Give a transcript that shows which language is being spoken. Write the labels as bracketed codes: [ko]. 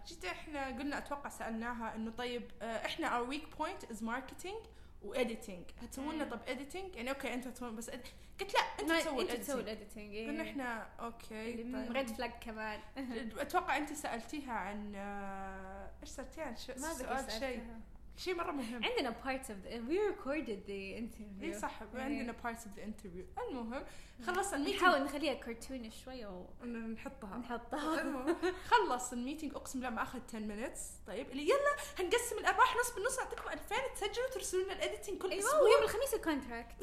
[ar] جيت احنا قلنا اتوقع سالناها انه طيب احنا [en] our weak point is marketing [ar] واديتنج هتسوون لنا طب اديتنج يعني اوكي انت تسوون بس قلت لا انت تسوي الاديتنج قلنا احنا اوكي طيب ريد فلاج كمان اتوقع انت سالتيها عن ايش سالتيها عن سؤال شيء شيء مره مهم عندنا [en] parts of the we recorded the interview [ar] اي صح عندنا [en] parts of the interview [ar] المهم خلص الميتنج نحاول نخليها كرتوني شوي ونحطها خلص الميتنج اقسم بالله ما اخذ 10 minutes طيب اللي يلا هنقسم الارباح نص بالنص اعطيكم 2000 تسجلوا ترسلوا لنا الايديتنج كل اسبوع ايوه يوم الخميس الكونتراكت